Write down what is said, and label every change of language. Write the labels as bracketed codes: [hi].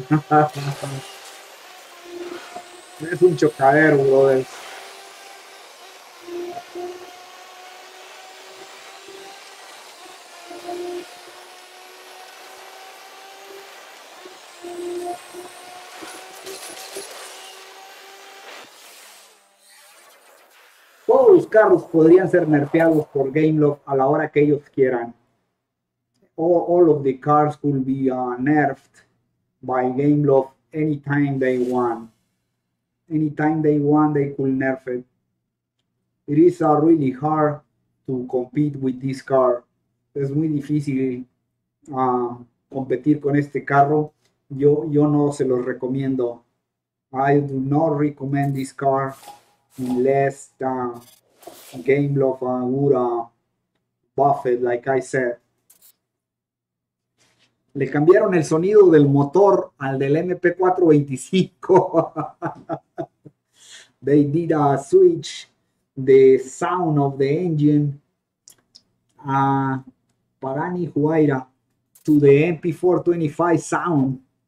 [es] Es un chocadero, todos los carros podrían ser nerfeados por Gameloft a la hora que ellos quieran. [en] All of the cars could be nerfed by Gameloft anytime they want. Anytime they want, they could nerf it. It is really hard to compete with this car. [es] Es muy difícil competir con este carro. Yo no se los recomiendo. [en] I do not recommend this car unless Gameloft would buff it, like I said. [es] Le cambiaron el sonido del motor al del MP425. [en] They did a switch the sound of the engine a Pagani Huayra to the MP425 sound.